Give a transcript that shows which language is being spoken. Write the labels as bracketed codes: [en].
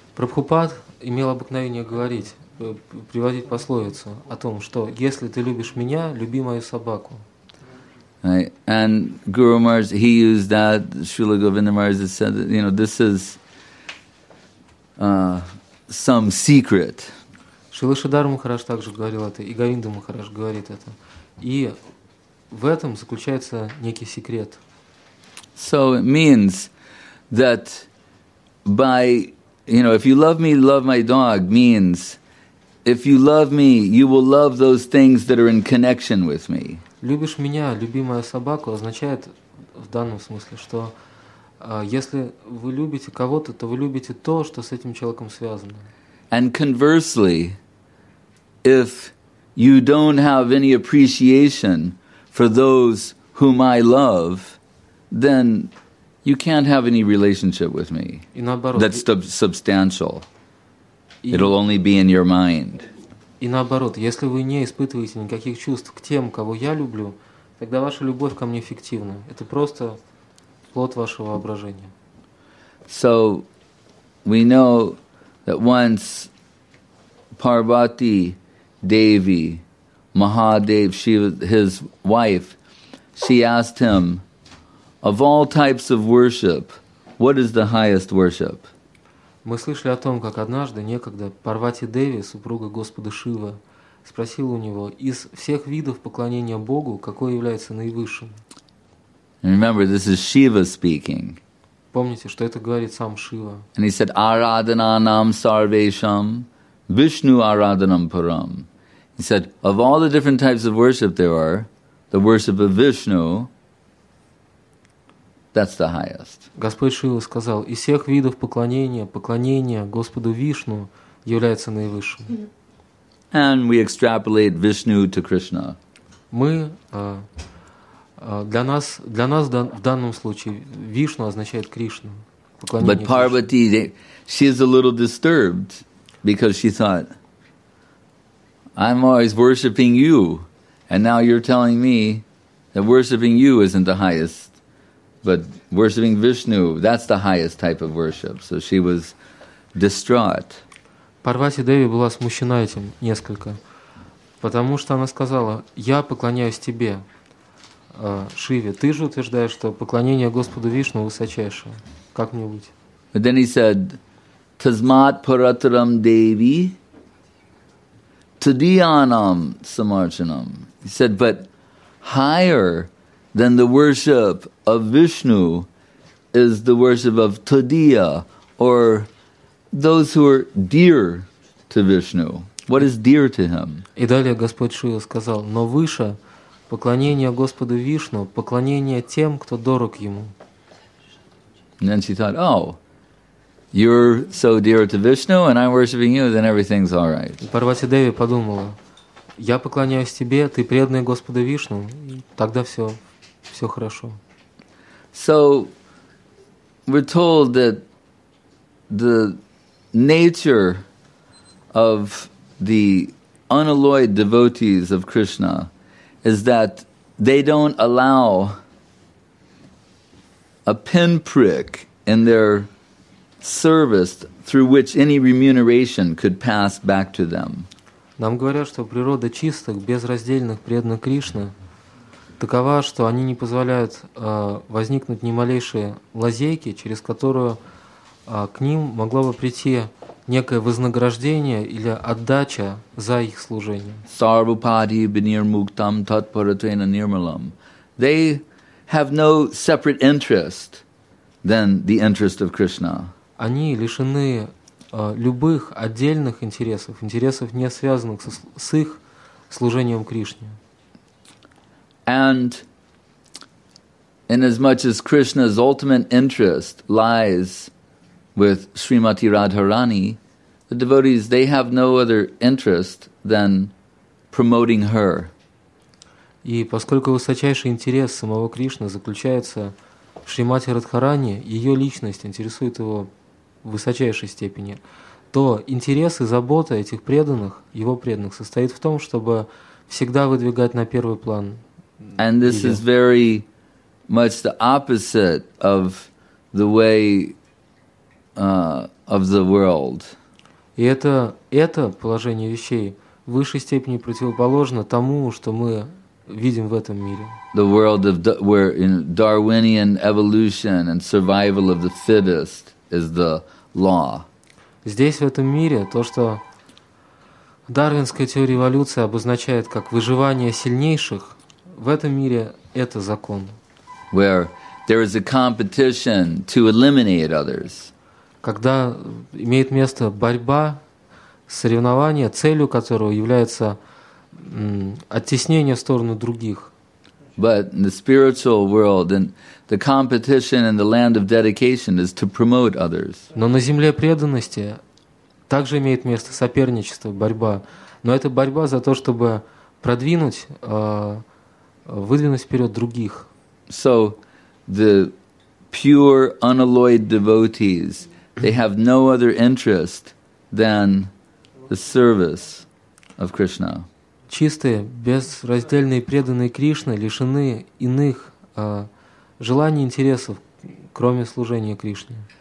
[ru] Прабхупад имел обыкновение говорить, приводить пословицу о том, что если ты любишь меня, люби мою собаку. [en] Right. And Guru Maharaj, he used that, Srila Govinda Maharaj said, you know, this is some secret. [ru] Шрила Шридхара Махарадж также говорил это, и Говинда Махарадж говорит это. И в этом заключается некий секрет. [en] So it means that by, you know, if you love me, love my dog, means if you love me, you will love those things that are in connection with me. [ru] Любишь меня, люби мою собаку, означает в данном смысле, что если вы любите кого-то, то вы любите то, что с этим человеком связано. [en] And conversely, if you don't have any appreciation for those whom I love, then you can't have any relationship with me. [ru] И наоборот, [en] that's substantial. It'll only be in your mind. [ru] И наоборот, если вы не испытываете никаких чувств к тем, кого я люблю, тогда ваша любовь ко мне фиктивна. Это просто плод вашего воображения. [en] So we know that once Parvati Devi, Mahadev, she was his wife. She asked him, "Of all types of worship, what is the highest worship?" [ru] Мы слышали о том, как однажды некогда Парвати Деви, супруга Господа Шива, спросила у него: "Из всех видов поклонения Богу, какой является наивысшим?" [en] Remember, this is Shiva speaking. [ru] Помните, что это говорит сам Шива. [en] And he said, [sa] "Aradhana nam sarvesham, Vishnu aradhanam param." [en] He said, of all the different types of worship there are, the worship of Vishnu, that's the highest. [ru] Господь Шива сказал, из всех видов поклонения, поклонение Господу Вишну является наивысшим. [en] And we extrapolate Vishnu to Krishna. [ru] Мы, для нас в данном случае Вишну означает Кришну. [en] But Parvati, she is a little disturbed because she thought, I'm always worshiping you, and now you're telling me that worshiping you isn't the highest, but worshiping Vishnu, that's the highest type of worship. So she was distraught. [ru] Парвати Деви была смущена этим несколько, потому что она сказала, я поклоняюсь тебе, Шиве, ты же утверждаешь, что поклонение Господу Вишну высочайшее. Как-нибудь. [en] But then he said, [sa] Tasmat Paratram Devi, Tadiyanam Samarchanam. [en] He said, but higher than the worship of Vishnu is the worship of Tadiya, or those who are dear to Vishnu. What is dear to him? [ru] И далее Господь Шива сказал, но выше поклонение Господу Вишну, поклонение тем, кто дорог ему. [en] And then she thought, oh, you're so dear to Vishnu, and I'm worshiping you, then everything's all right. [ru] Парвати Деви подумала, я поклоняюсь тебе, ты преданный Господу Вишну, тогда все хорошо. [en] So, we're told that the nature of the unalloyed devotees of Krishna is that they don't allow a pinprick in their service through which any remuneration could pass back to them. [ru] Нам говорят, что природа чистых, безраздельных преданных Кришны такова, что они не позволяют возникнуть ни малейшие лазейки, через которую к ним могло бы прийти некое вознаграждение или отдача за их служение. [sa] Sarvapadi binirmuktam tatparatena nirmalam. [en] They have no separate interest than the interest of Krishna. [ru] Они лишены любых отдельных интересов, интересов, не связанных с их служением Кришне. [en] And Inasmuch as Krishna's ultimate interest lies with Srimati Radharani, the devotees, they have no other interest than promoting her. [ru] И поскольку высочайший интерес самого Кришны заключается в Шримати Радхарани, ее личность интересует его в высочайшей степени, то интерес и забота этих преданных, его преданных, состоит в том, чтобы всегда выдвигать на первый план. [en] And this is very much the opposite of the way of the world. [ru] И это положение вещей в высшей степени противоположно тому, что мы видим в этом мире. [en] The world of where in Darwinian evolution and survival of the fittest is the law. [ru] Здесь, в этом мире, то, что дарвинская теория эволюции обозначает как выживание сильнейших, в этом мире это закон. [en] Where there is a competition to eliminate others. [ru] Когда имеет место борьба, соревнование, целью которого является оттеснение в сторону других. [en] But in the spiritual world, and the competition in the land of dedication is to promote others. [ru] Но на земле преданности также имеет место соперничество, борьба. Но это борьба за то, чтобы выдвинуть вперед других. [en] So the pure unalloyed devotees, they have no other interest than the service of Krishna. [ru] Чистые, безраздельные, преданные Кришне лишены иных желаний, интересов, кроме служения Кришне.